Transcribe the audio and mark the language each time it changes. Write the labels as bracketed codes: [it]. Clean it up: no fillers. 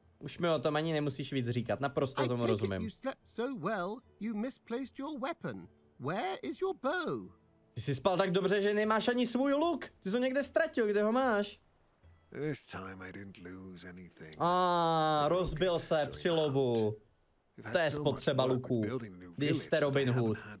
[cs] Už mi o tom ani nemusíš víc říkat, naprosto tomu rozumím. [en] You slept so well, you misplaced your weapon. Where is your bow? [cs] Ty jsi spal tak dobře, že nemáš ani svůj luk. Ty jsi ho někde ztratil, kde ho máš? [en] This time I didn't lose anything. [cs] Rozbil se při lovu. To je spotřeba luku, když jste Robin Hood.